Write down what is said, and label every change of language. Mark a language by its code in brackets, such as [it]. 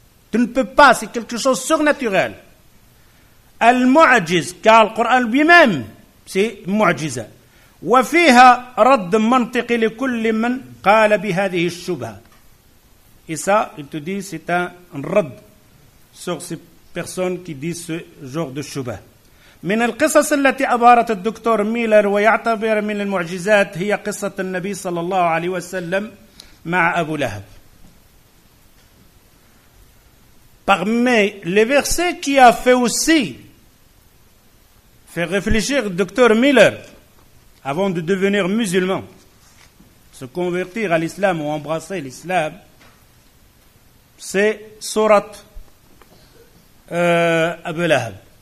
[fr] Tu ne peux pas, c'est quelque chose de surnaturel. Al-mu'ajiz, car le Coran lui-même, c'est mu'ajiza. [ar] Wa fiha radd mantiqi li kulli man qala bi hadhihi ash-shubha. [fr] Et ça, il te dit, c'est un radd sur ces personnes qui disent ce genre de shubha. [ar] من القصص التي أبهرت الدكتور ميلر ويعتبر من المعجزات هي قصة النبي صلى الله عليه وسلم مع أبو لهب. [fr] Parmi les versets qui a fait aussi faire réfléchir le docteur Miller avant de devenir musulman, se convertir à l'islam ou embrasser l'islam, c'est Sourate Abu Lahab.